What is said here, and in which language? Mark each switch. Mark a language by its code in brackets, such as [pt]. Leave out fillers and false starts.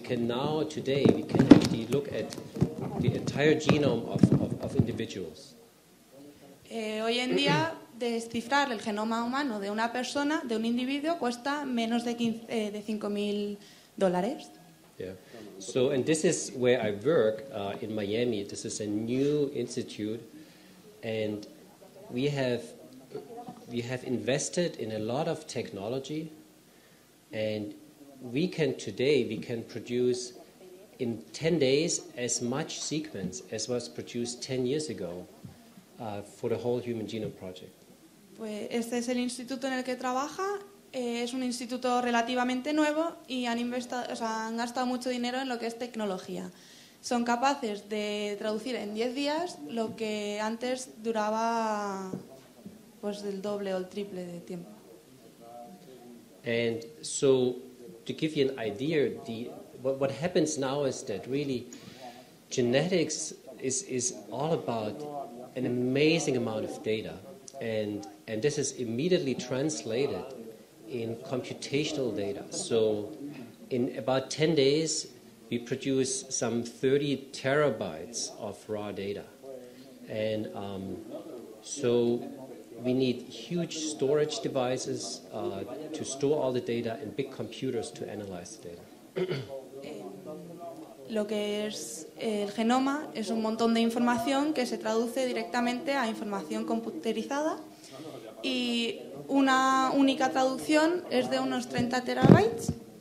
[en] We can actually look at the entire genome of individuals. [es] Hoy en día, descifrar el genoma humano de una persona, de un individuo, cuesta menos de $5,000. [en] Yeah. So, and this is where I work in Miami. This is a new institute, and we have invested in a lot of technology, and we can produce in 10 days as much sequence as was produced 10 years ago for the whole human genome project. [es] Pues este es el instituto en el que trabaja, es un instituto relativamente nuevo y han gastado mucho dinero en lo que es tecnología. Son capaces de traducir en 10 días lo que antes duraba pues el doble o el triple de tiempo. [en] And so to give you an idea, what happens now is that really genetics is all about an amazing amount of data, and this is immediately translated in computational data. So in about 10 days, we produce some 30 terabytes of raw data. And so we need huge storage devices to store all the data and big computers to analyze the data. [es] Lo que es el genoma es un montón de información que se traduce directamente a información computerizada y una única traducción es de unos 30 terabytes.